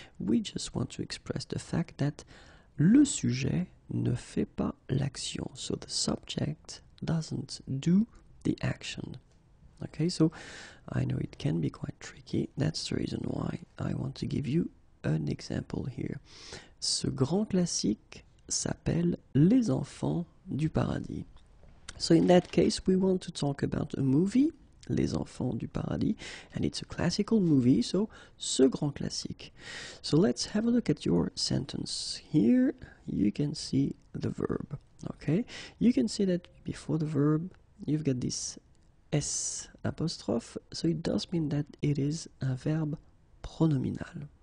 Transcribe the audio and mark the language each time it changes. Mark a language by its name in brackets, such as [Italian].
[English] We just want to express the fact that [French] le sujet ne fait pas l'action. [English] So the subject doesn't do the action. Okay, so I know it can be quite tricky. That's the reason why I want to give you an example here. [French] Ce grand classique s'appelle Les Enfants du Paradis. [English] So in that case, we want to talk about a movie, Les Enfants du Paradis, and it's a classical movie, so [French] ce grand classique. [English] So let's have a look at your sentence. Here you can see the verb, okay? You can see that before the verb, you've got this S apostrophe, so it does mean that it is a verb pronominal.